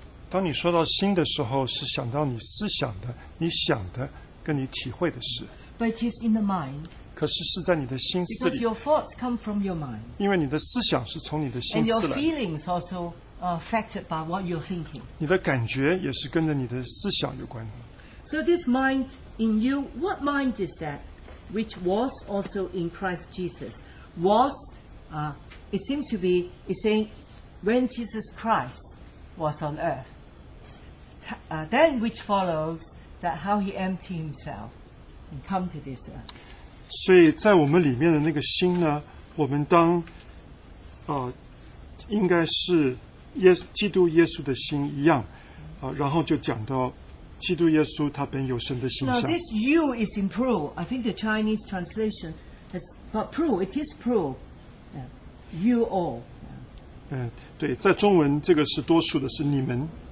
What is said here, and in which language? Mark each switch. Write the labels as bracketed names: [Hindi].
[Chinese] 当你说到心的时候是想到你思想的你想的跟你体会的事 [English] But it is in the mind. [Chinese] 可是是在你的心思里, [English] because your thoughts come from your mind. [Chinese] 因为你的思想是从你的心思来, [English] and your feelings also are affected by what you're thinking. [Chinese] 你的感觉也是跟着你的思想有关. [English] So this mind in you, what mind is that? Which was also in Christ Jesus. Was, it seems to be, it's saying, when Jesus Christ was on earth. Then which follows that how he emptied himself. And come to this earth. [Chinese] 所以在我们里面的那个心呢，我们当应该是基督耶稣的心一样，然后就讲到基督耶稣他本有神的形象。 [English] Now this you is in plural. I think the Chinese translation is not plural. It is plural. You all. [Chinese] 对，在中文这个是多数的，是你们。